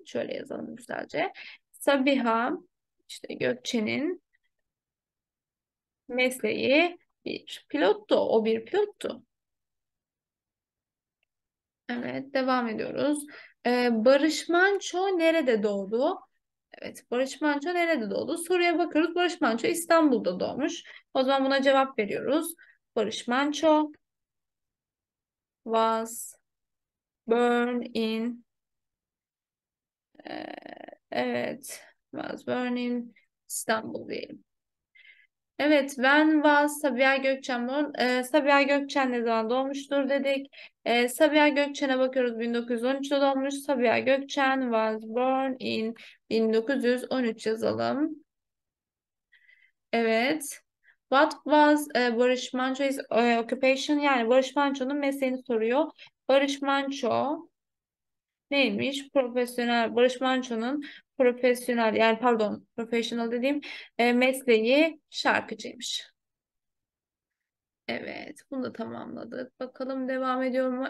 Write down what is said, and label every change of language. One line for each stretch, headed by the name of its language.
Turkish: Şöyle yazalım güzelce. Sabiha işte Gökçen'in mesleği bir pilottu. O bir pilottu. Evet, devam ediyoruz. Barış Manço nerede doğdu? Evet, Barış Manço nerede doğdu? Soruya bakıyoruz. Barış Manço İstanbul'da doğmuş. O zaman buna cevap veriyoruz.
English: Barış Manço was born in evet, was born in İstanbul
Turkish: diyelim. Evet, ben Vaz Sabiha Gökçen. Sabiha Gökçen ne zaman doğmuştur dedik. Sabiha Gökçen'e bakıyoruz. 1913'te doğmuş.
English: Sabiha Gökçen was born in 1913
Turkish: yazalım.
English: Evet. What was Barış Manço's occupation?
Turkish: Yani Barış Manço'nun mesleğini soruyor. Barış Manço neymiş? Profesyonel. Barış Manço'nun profesyonel, yani pardon, professional dediğim mesleği şarkıcıymış. Evet, bunu da tamamladık. Bakalım devam ediyor mu?